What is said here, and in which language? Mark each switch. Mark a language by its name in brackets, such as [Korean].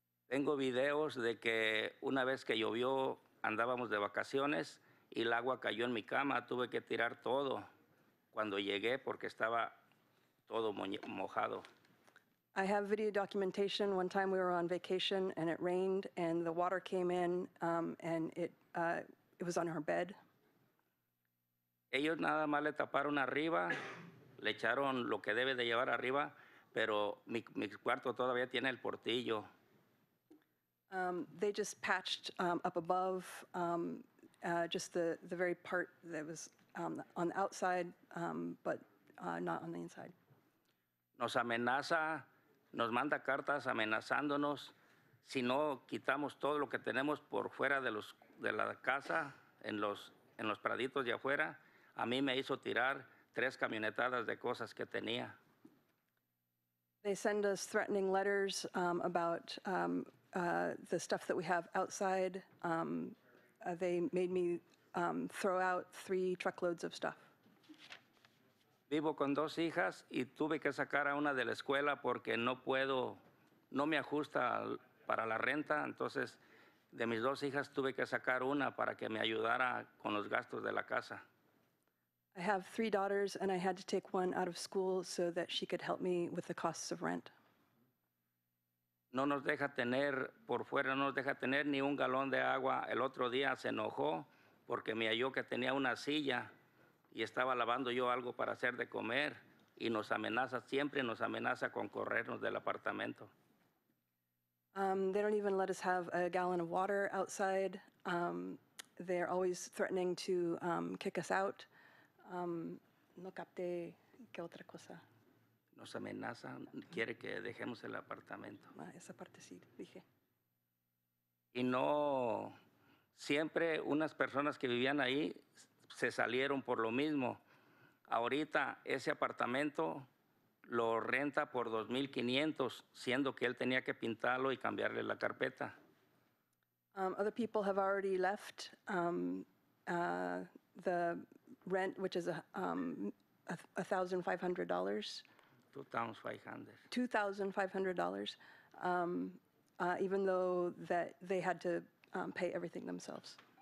[Spanish] Tengo videos de que una vez que llovió, andábamos de vacaciones y el agua cayó en mi cama. Tuve que tirar todo cuando llegué porque estaba todo mojado. [English] I have video documentation. One time we were on vacation and it rained and the water came in and it was on her bed. [Spanish] Ellos nada más le taparon arriba, le echaron lo que debe de llevar arriba, pero mi cuarto todavía tiene el portillo. [English] They just patched up above just the very part that was on the outside, not on the inside. [Spanish] Nos amenaza, nos manda cartas amenazándonos. Si no quitamos todo lo que tenemos por fuera de los de la casa, en los praditos de afuera, a mí me hizo tirar tres camionetadas de cosas que tenía. [English] They send us threatening letters about the stuff that we have outside. They made me throw out 3 truckloads of stuff. [Spanish] Vivo con 2 hijas y tuve que sacar a una de la escuela porque no me ajusta para la renta. Entonces, de mis 2 hijas tuve que sacar una para que me ayudara con los gastos de la casa. [English] I have 3 daughters, and I had to take one out of school so that she could help me with the costs of rent. [Spanish] No nos deja tener por fuera, no nos deja tener ni un galón de agua. El otro día se enojó porque me halló que tenía una silla y estaba lavando yo algo para hacer de comer, y nos amenaza, siempre nos amenaza con corrernos del apartamento. [English] They don't even let us have a gallon of water outside. They're always threatening to kick us out. [Spanish] No capté qué otra cosa. Nos amenaza, quiere que dejemos el apartamento. Esa parte sí, dije. Y no, siempre unas personas que vivían ahí se salieron por lo mismo. Ahorita ese apartamento lo renta por 2,500, siendo que él tenía que pintarlo y cambiarle la carpeta. [English] Other people have already left the rent, which is $1,500. $2,500. Even though that they had to pay everything themselves.